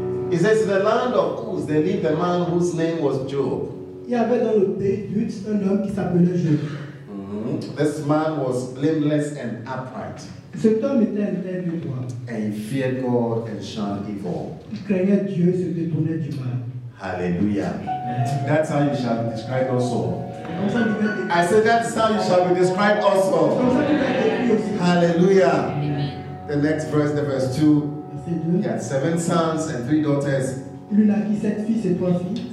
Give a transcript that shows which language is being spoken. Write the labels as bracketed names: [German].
[English] It says, in the land of Uz, they lived a man whose name was Job. [French] Il y avait dans le pays d'Uz un homme qui s'appelait Job. [English] This man was blameless and upright. [French] Cet homme était intègre et droit. [English] And he feared God and shunned evil. [French] Il craignait Dieu et se détournait du mal. [English] Hallelujah. That's how you shall be described also. Amen. I said, that's how you shall be described also. Amen. Hallelujah. Amen. The next verse, the verse 2. He had 7 sons and 3 daughters. [French] Il a 7 fils et 3 filles.